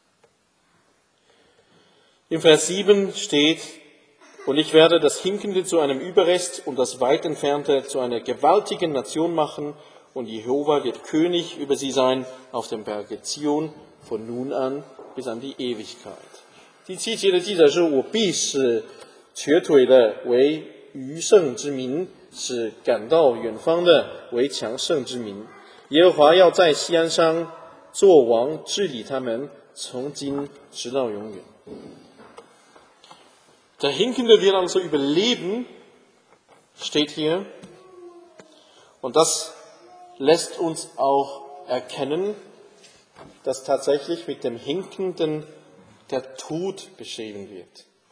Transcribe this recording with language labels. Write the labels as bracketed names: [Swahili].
[Chinese] 那偏偏就是因此，我们才可以从上帝那边求告，我们才可以求告上帝，从上帝那边，在他的应许当中，有盼望，求上帝的赦免，也求上帝的救赎。 [German] In Vers 7 steht. Und ich werde das Hinkende zu einem Überrest und das Weit Entfernte zu einer gewaltigen Nation machen und Jehova wird König über sie sein auf dem Berge Zion von nun an bis an die Ewigkeit. [Chinese] 第七节的记载是：“我必使瘸腿的为余生之民，使赶到远方的为强盛之民。耶和华要在锡安山作王，治理他们，从今直到永远。” [German] Der Hinkende wird also überleben, steht hier. Und das lässt uns auch erkennen, dass tatsächlich mit dem Hinkenden der Tod beschrieben wird.